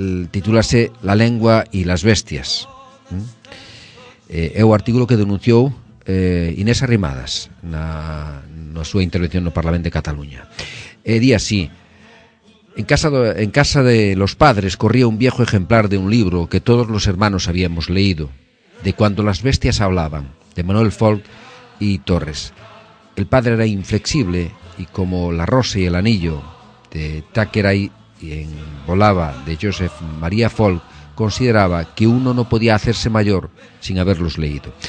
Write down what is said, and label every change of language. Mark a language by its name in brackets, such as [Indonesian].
[Galician] Titúlase La lengua y las bestias. É o artículo que denunciou Inés Arrimadas na súa intervención no Parlamento de Cataluña. Di así: [Spanish] en casa de los padres corría un viejo ejemplar de un libro que todos los hermanos habíamos leído, De cuando las bestias hablaban, de Manuel Folk y Torres. El padre era inflexible y como La rosa y el anillo de Thackeray en Volaba de Joseph Maria Folk, consideraba que uno no podía hacerse mayor sin haberlos leído.